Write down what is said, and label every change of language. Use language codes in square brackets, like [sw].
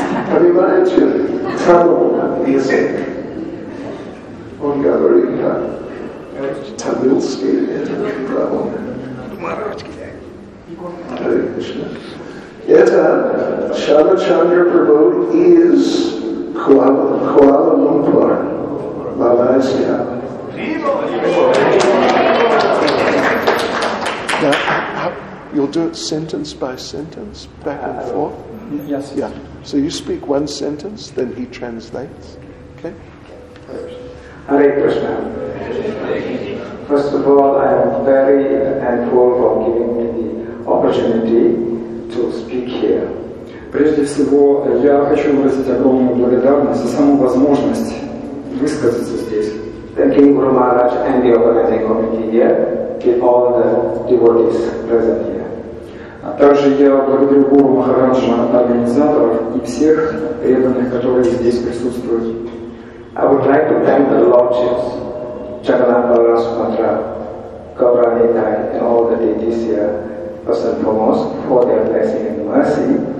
[ru] Понимаете, Тамил язык, он говорит на тамилский, это право. Хари Кришна. Это Шамачандра Прабху из Куала-Лумпур, Малайзия. [en] Now, you'll do it sentence by sentence, back and forth. Yes. Yeah. So you speak one sentence, then he translates. Okay. Hare Krishna. First of all, I am very thankful for giving me the opportunity to speak here. [ru] Прежде всего, я хочу выразить огромную благодарность за саму возможность высказаться здесь. [en] Thanking Guru Maharaj and the organizing committee here, all the devotees present here. [ru] А также я благодарю Гуру Махараджа, организаторов и всех преданных, которые здесь присутствуют. [en] I would like to thank the lodges, Jagannath Balaram Sumatra, Gauranitai, and all the deities here, first and foremost, for their blessing and mercy.